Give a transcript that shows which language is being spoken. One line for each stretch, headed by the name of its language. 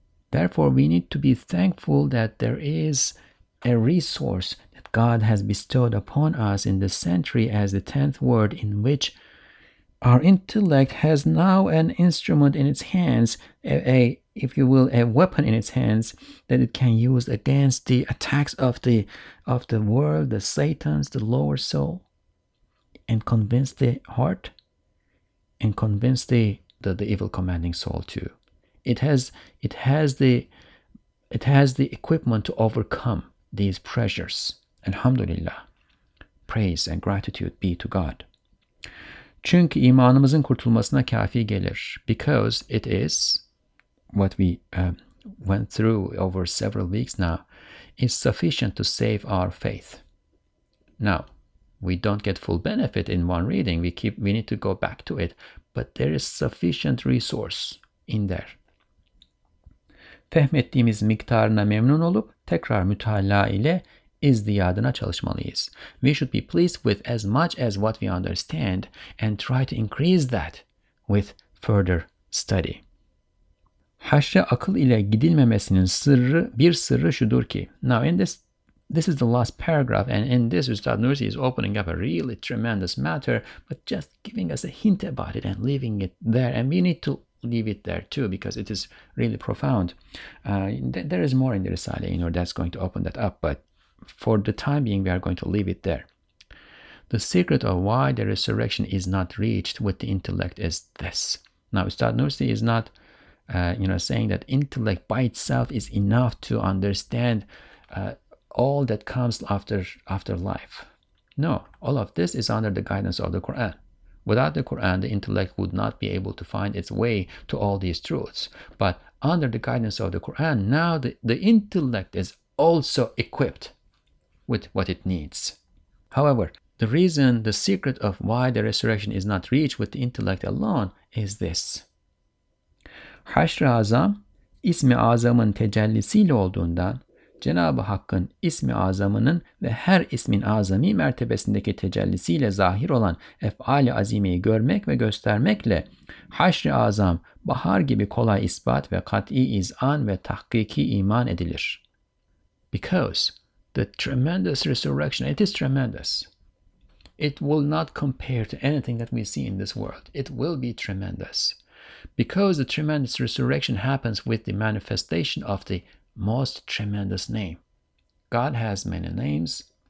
English: Therefore, we need to be thankful that there is a resource that God has bestowed upon us in this century as the 10th word, in which our intellect has now an instrument in its hands, a weapon in its hands that it can use against the attacks of the world, the Satans, the lower soul, and convince the heart, and convince the evil commanding soul too. It has the equipment to overcome these pressures. Alhamdulillah. Praise and gratitude be to God.
Turkish: Çünkü imanımızın kurtulmasına kafi gelir.
English: Because it is what we went through over several weeks now, is sufficient to save our faith. Now, we don't get full benefit in one reading. We need to go back to it. But there is sufficient resource in there.
Turkish: Fehmettiğimiz miktarına memnun olup tekrar mütala ile izdiyadına çalışmalıyız.
English: We should be pleased with as much as what we understand and try to increase that with further study.
Turkish: Haşre akıl ile gidilmemesinin sırrı şudur ki.
English: Now in this is the last paragraph, and in this Ustad Nursi is opening up a really tremendous matter, but just giving us a hint about it and leaving it there, and we need to leave it there too because it is really profound. There is more in the Risale, you know, that's going to open that up, but for the time being, we are going to leave it there. The secret of why the resurrection is not reached with the intellect is this. Now, Ustad Nursi is not, saying that intellect by itself is enough to understand all that comes after life. No, all of this is under the guidance of the Quran. Without the Quran, the intellect would not be able to find its way to all these truths. But under the guidance of the Quran, now the intellect is also equipped with what it needs. However, the reason, the secret of why the resurrection is not reached with the intellect alone is this.
Turkish: Haşr-ı Azam, ismi azamın tecellisiyle olduğundan, Cenab-ı Hakk'ın ismi azamının ve her ismin azami mertebesindeki tecellisiyle zahir olan ef'ali azimeyi görmek ve göstermekle Haşr-ı Azam bahar gibi kolay ispat ve kat'i izan ve tahkiki iman edilir.
English: Because the tremendous resurrection, it is tremendous. It will not compare to anything that we see in this world. It will be tremendous. Because the tremendous resurrection happens with the manifestation of the most tremendous name. God has many names.